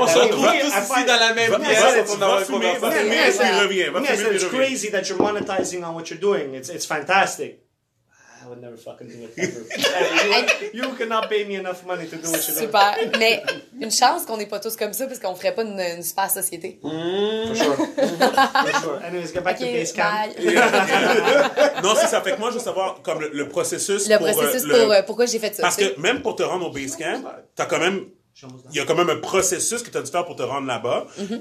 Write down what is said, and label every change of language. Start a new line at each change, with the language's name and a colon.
French: On se retrouve tous ici dans la même pièce. Va fumer, puis reviens.
English: Yes, it's crazy that you're monetizing on what you're doing. It's fantastic. I would never fucking do it ever. You cannot pay me enough money to do what you're doing.
French: Super. Mais une chance qu'on n'est pas tous comme ça, parce qu'on ferait pas une super société.
English: For sure. Anyways, get back to base camp.
French: Non, c'est ça. Fait que moi, je veux savoir comme le processus pour... Le processus pour... pourquoi j'ai fait ça. Parce que même pour te rendre au base camp, t'as quand même Il y a quand même un processus que tu as dû faire pour te rendre là-bas. Mm-hmm.